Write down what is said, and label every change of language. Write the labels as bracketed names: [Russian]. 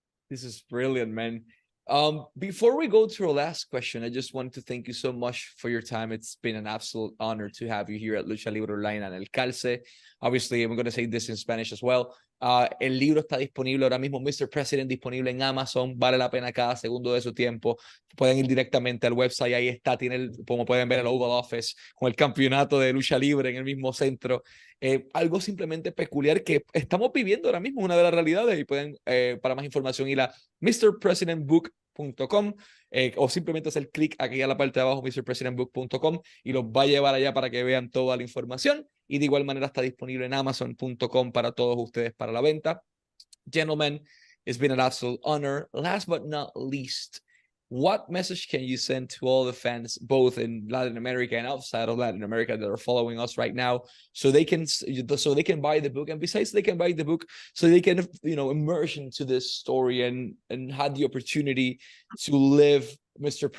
[English] This is brilliant, man. Before we go to our last question, I just want to thank you so much for your time. It's been an absolute honor to have you here at Lucha Libre Online and El Calce. Obviously, I'm going to say this in Spanish as well. [Spanish] El libro está disponible ahora mismo, Mr. President, disponible en Amazon. Vale la pena cada segundo de su tiempo. Pueden ir directamente al website. Ahí está, tiene el, como pueden ver, el Oval Office con el campeonato de lucha libre en el mismo centro. Algo simplemente peculiar que estamos viviendo ahora mismo, una de las realidades. Y pueden, para más información, ir a MrPresidentBook.com o simplemente hacer clic aquí a la parte de abajo, MrPresidentBook.com, y los va a llevar allá para que vean toda la información. Y de igual manera está disponible en Amazon.com para todos ustedes para la venta. [English] Gentlemen, it's been an absolute honor. Last but not least, what message can you send to all the fans, both in Latin America and outside of Latin America, that are following us right now, so they can buy the book, and besides they can buy the book, so they can, you know, immerse into this story and have the opportunity to live Mr.